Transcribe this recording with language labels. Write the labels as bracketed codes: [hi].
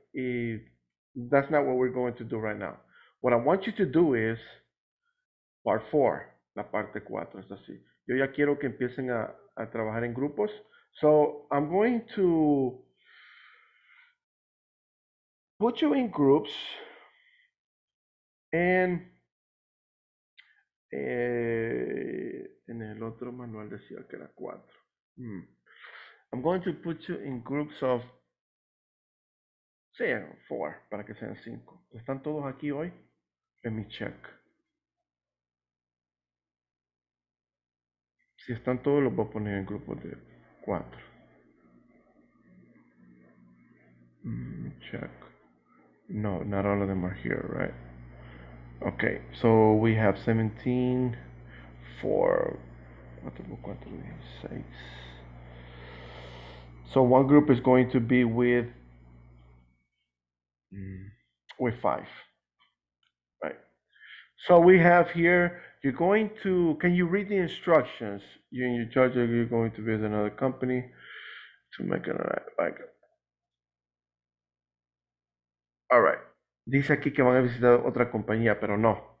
[en] Y that's not what we're going to do right now. What I want you to do is part four, [es] la parte cuatro, es así. Yo ya quiero que empiecen a trabajar en grupos. [en] So I'm going to put you in groups and [es] en el otro manual decía que era cuatro. [en] I'm going to put you in groups of, say, four, [es] para que sean cinco. ¿Están todos aquí hoy? [en] Let me check. [es] Si están todos, los voy a poner en grupos de cuatro. [en] Check. No, not all of them are here, right? Okay, so we have 17, four, [es] cuatro, seis. [en] So one group is going to be with five, right? So we have here, you're going to, can you read the instructions? You and your judge, you're going to visit another company to make an like. All right. [es] Dice aquí que van a visitar otra compañía, pero no.